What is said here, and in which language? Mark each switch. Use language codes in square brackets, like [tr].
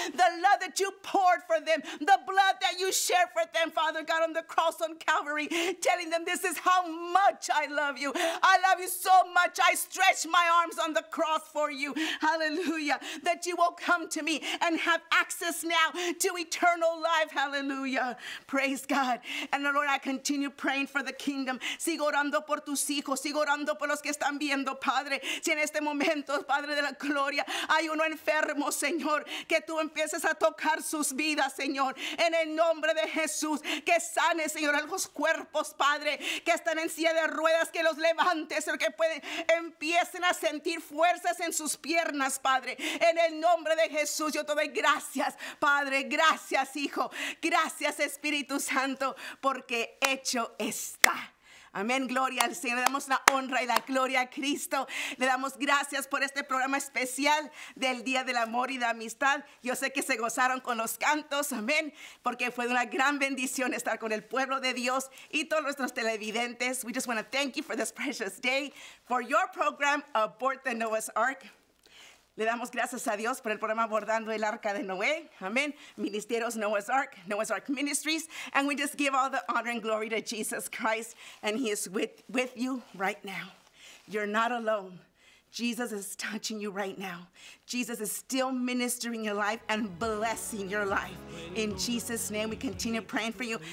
[en] The love that you poured for them, the blood that you shed for them, Father God, on the cross on Calvary, telling them this is how much I love you. I love you so much. I stretch my arms on the cross for you. Hallelujah. That you will come to me and have access now to eternal life. Hallelujah. Praise God. And Lord, I continue praying for the kingdom. [es] Sigo orando por tus hijos. Sigo orando por los que están viendo, Padre. Si en este momento, Padre de la gloria, hay uno enfermo, Señor, que tú empieces a tocar sus vidas, Señor. En el nombre de Jesús, que sane, Señor, a los cuerpos, Padre, que están en silla de ruedas, que los levantes, Señor, que pueden, empiecen a sentir fuerzas en sus piernas, Padre. En el nombre de Jesús, yo te doy gracias, Padre. Gracias, Hijo. Gracias, Espíritu Santo, porque hecho está. Amén, gloria al Señor. Le damos la honra y la gloria a Cristo. Le damos gracias por este programa especial del Día del Amor y de Amistad. Yo sé que se gozaron con los cantos, amén, porque fue una gran bendición estar con el pueblo de Dios y todos nuestros televidentes. [en] We just want to thank you for this precious day, for your program, Aboard the Noah's Ark. [es] Le damos gracias a Dios por el programa Abordando el Arca de Noé. Amén. Ministerios Noah's Ark, Noah's Ark Ministries. [en] And we just give all the honor and glory to Jesus Christ. And he is with you right now. You're not alone. Jesus is touching you right now. Jesus is still ministering your life and blessing your life. In Jesus' name, we continue praying for you.